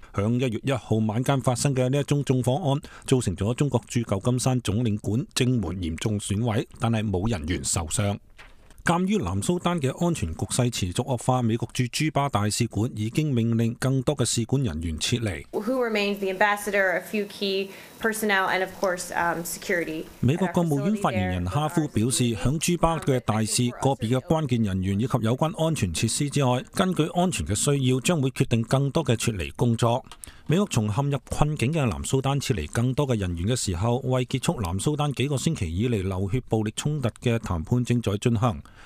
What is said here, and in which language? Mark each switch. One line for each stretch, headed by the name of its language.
Chinese: 在1月1号晚间发生的这宗纵火案，造成了中国驻旧金山总领馆正门严重损毁，但是没有人员受伤。鉴于南苏丹的安全局势持续恶化，美国驻朱巴大使馆已经命令更多的使馆人员撤离。
English: Who remains the ambassador, a few key personnel, and of course, security.
Chinese: 美国国务院发言人哈夫表示，在朱巴的大使、个别的关键人员以及有关安全设施之外，根据安全的需要，将会决定更多的撤离工作。美国从陷入困境的南苏丹撤离更多的人员的时候，为结束南苏丹几个星期以来流血暴力冲突的谈判正在进行。